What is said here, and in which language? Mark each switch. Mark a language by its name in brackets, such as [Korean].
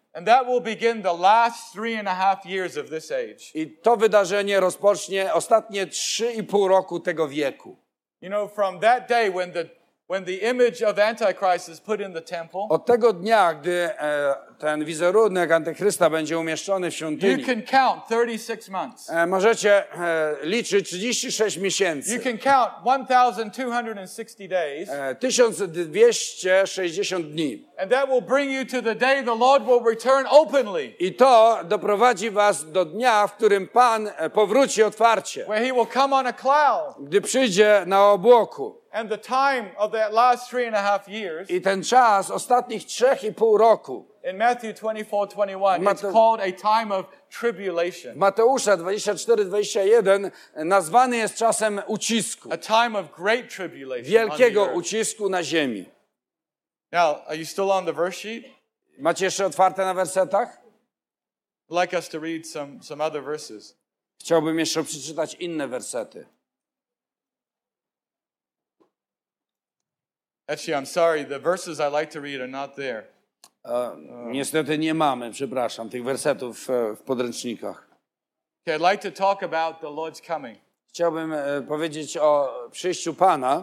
[English] And that will begin the last 3.5 years of this age. [Polish] I to wydarzenie rozpocznie ostatnie 3.5 roku tego wieku. [English] You know, from that day when the image of Antichrist is put in the temple, [Polish] od tego dnia, gdy ten wizerunek Antychrysta będzie umieszczony w świątyni, [English] you can count 36 months. [Polish] Możecie liczyć 36 miesięcy. [English] You can count 1260 days. [Polish] 1260 dni. [English] And that will bring you to the day the Lord will return openly. [Polish] I to doprowadzi was do dnia, w którym Pan powróci otwarcie. [English] Where he will come on a cloud. [Polish] Gdy przyjdzie na obłoku. [English] And the time of that last 3.5 years. [Polish] I ten czas ostatnich 3.5 roku. [English] In Matthew 24:21, it's called a time of tribulation. [Polish] Mateusza 24:21 nazwany jest czasem ucisku. [English] A time of great tribulation. [Polish] Wielkiego ucisku na ziemi. [English] Now, are you still on the verse sheet? [Polish] Macie jeszcze otwarte na wersetach? [English] I'd like us to read some other verses. [Polish] Chciałbym jeszcze przeczytać inne wersety. [English] Actually, I'm sorry. The verses I like to read are not there. [Polish] Niestety nie mamy, przepraszam, tych wersetów w podręcznikach. [English] Okay, I'd like to talk about the Lord's coming. [Polish] Chciałbym powiedzieć o przyjściu Pana.